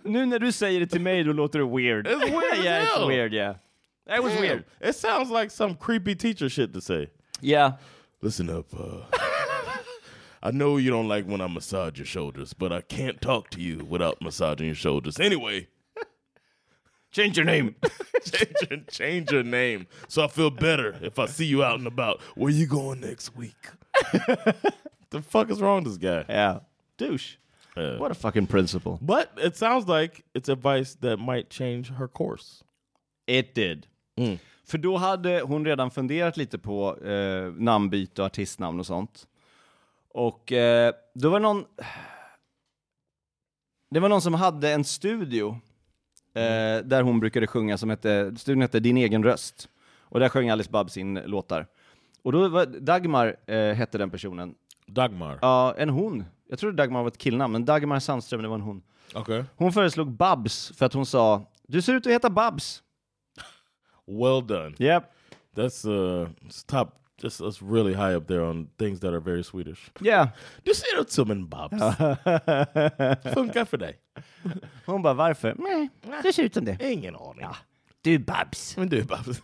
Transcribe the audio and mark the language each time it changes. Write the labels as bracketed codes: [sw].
[sv] Nu när du säger det till mig, då låter det weird. [en] It's weird. Yeah, hell. It's weird, yeah. That was weird. It sounds like some creepy teacher shit to say. Yeah. Listen up. I know you don't like when I massage your shoulders, but I can't talk to you without massaging your shoulders. Anyway... Change your name. change your name. So I feel better if I see you out and about. Where you going next week? The fuck is wrong with this guy? Yeah. Douche. Yeah. What a fucking principal. But it sounds like it's advice that might change her course. It did. Mm. [sv] För då hade hon redan funderat lite på namnbyte och artistnamn och sånt. Och det var någon som hade en studio. Där hon brukade sjunga som hette, studion hette Din egen röst. Och där sjöng Alice Babs sin låtar. Och då var Dagmar hette den personen. Dagmar? Ja, en hon. Jag trodde Dagmar var ett killnamn, men Dagmar Sandström, det var en hon. [en] Okay. [sv] Hon föreslog Babs för att hon sa, du ser ut att heta Babs. [en] Well done. Yep. That's top, that's really high up there on things that are very Swedish. Yeah. [sv] Du ser ut som en Babs. Funkar för dig. Hon bara, varför? Nej, det ser ut som det. Ingen aning. Ja. Du är Babs. Men du är Babs.